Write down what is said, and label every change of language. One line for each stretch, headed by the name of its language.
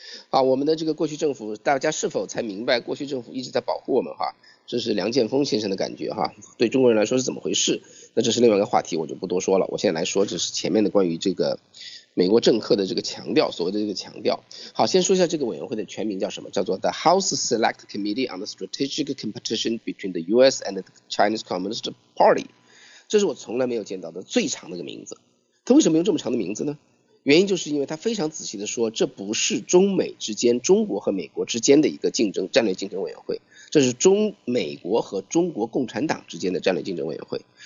Chinese: 啊，我们的这个过去政府，大家是否才明白过去政府一直在保护我们哈？这是梁建峰先生的感觉哈。对中国人来说是怎么回事？那这是另外一个话题，我就不多说了。我现在来说，这是前面的关于这个美国政客的这个强调，所谓的这个强调。好，先说一下这个委员会的全名叫什么？叫做
English: The House Select Committee on the Strategic Competition Between the U.S. and the Chinese Communist Party。
Chinese: 这是我从来没有见到的最长的一个名字。他为什么用这么长的名字呢？原因就是因为他非常仔细的说，这不是中美之间、中国和美国之间的一个竞争战略竞争委员会，这是中美国和中国共产党之间的战略竞争委员会。